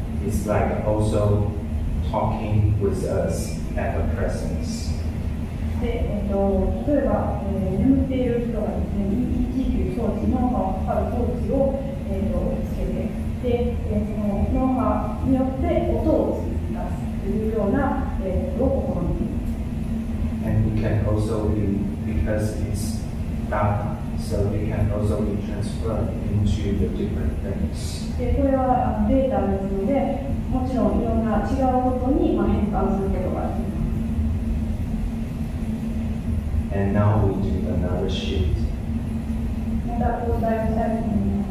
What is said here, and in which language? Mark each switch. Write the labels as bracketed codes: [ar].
[en] It's like also talking with us at the presence. [ja] で、例えば、眠っている人がですね、EEG という装置、脳波を測る装置を、つけて、で、その脳波によって音を出すというような、ことを試みています。 [en] And we can also be, because it's dark, so we can also be transferred into the different things. [ja] でこれはデータですので、もちろんいろんな違うことに変換することができます。 [en] And now we do another shift. [ja] また交代したいと思います。